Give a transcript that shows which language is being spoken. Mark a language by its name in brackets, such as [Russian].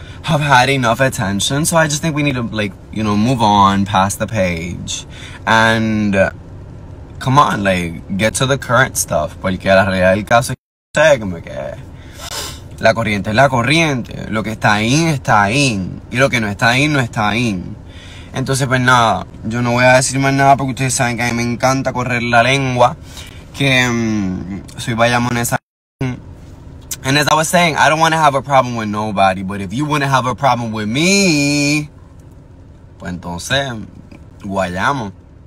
[English] I've had enough attention, so I just think we need to, like, you know, move on past the page. And come on, like, get to the current stuff. [Spanish] Porque la realidad del caso es que la corriente es la corriente. Lo que está ahí, está ahí. Y lo que no está ahí, no está ahí. Entonces, pues nada, yo no voy a decir más nada porque ustedes saben que a mí me encanta correr la lengua. Que soy bayamonesa. [English] And as I was saying, I don't want to have a problem with nobody, but if you want to have a problem with me, [Spanish] pues entonces, guayamos.